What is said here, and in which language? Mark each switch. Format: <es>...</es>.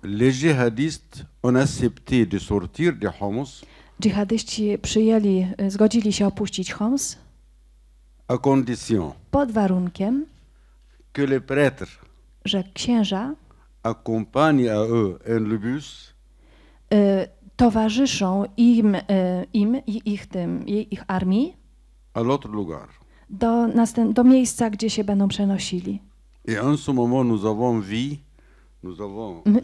<fr>les djihadistes ont accepté de sortir de Homs.</fr> <pl>Dżihadyści przyjęli, zgodzili się opuścić Homs.</pl> <fr>À condition,</fr> <pl>pod warunkiem,</pl> <fr>que le prêtre,</fr> <pl>że księża</pl> <fr>accompagne à eux un le bus,</fr> <pl>towarzyszą im i ich tym i ich armii.</pl> <fr>À l'autre lugar.</fr> <pl>Do miejsca, gdzie się będą przenosili.</pl> <fr>Et en ce moment, nous avons vu, nous avons</fr>